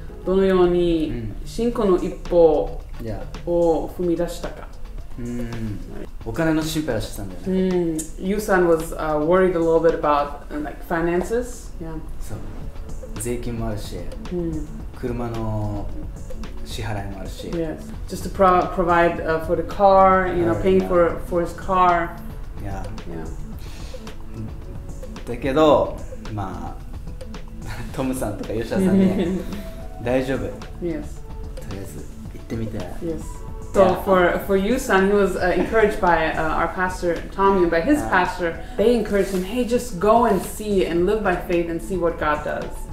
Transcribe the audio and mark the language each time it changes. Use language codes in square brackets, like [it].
[ja] どのように信仰の一歩を踏み出したか、お金の心配をしてたんだよね。 [en] Yu-san was worried a little bit about like finances. Yeah. [ja] そう、税金もあるし、車の支払いもあるし。 Yes. [en] Just to provide for the car, you know, paying for his car. [ja] だけど、まあ、トムさんとかユシャさんに、ね、大丈夫、 yes. とりあえず行ってみて、 yes. [en] So for Yu-san, he was encouraged by our pastor Tommy and by his pastor. They encouraged him, hey, just go and see and live by faith and see what God does.